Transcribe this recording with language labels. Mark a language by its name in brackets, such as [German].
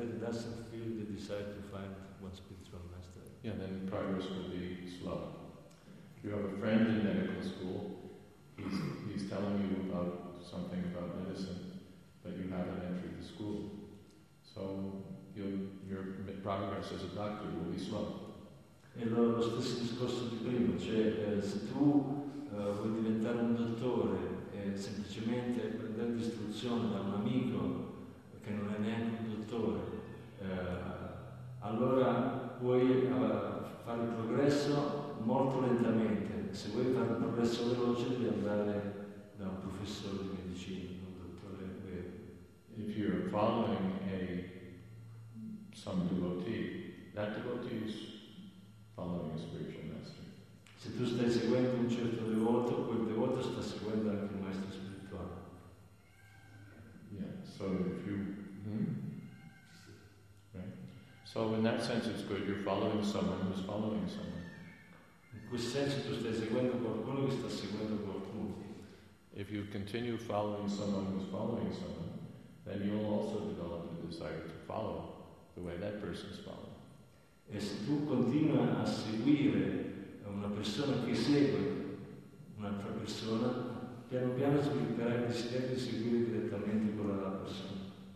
[English] He doesn't feel the desire to find one spiritual master. Yeah, then progress will be slow. You have a friend in medical school. He's telling you about something about medicine, but you haven't entered the school. Prabhupada says a doctor will be slow. [Italian] E lo stesso discorso di prima, cioè se tu vuoi diventare un dottore e semplicemente prendere istruzione da un amico che non è neanche un dottore, allora puoi fare il progresso molto lentamente. Se vuoi fare un progresso veloce devi andare da un professore di medicina, non un dottore vero. [English] If you're following some devotee, that devotee is following a spiritual master. [Italian] Se tu stai seguendo un certo devoto, quel devoto sta seguendo anche un maestro spirituale. [English] Yeah, so if you... So in that sense it's good, you're following someone who's following someone. [Italian] In quel senso tu stai seguendo qualcuno che sta seguendo qualcuno. [English] If you continue following someone who's following someone, then you'll also develop the desire to follow the way that person's following. [Italian] E se tu continui a seguire una persona che segue un'altra persona, piano piano svilupperai il desiderio di seguire direttamente quella persona.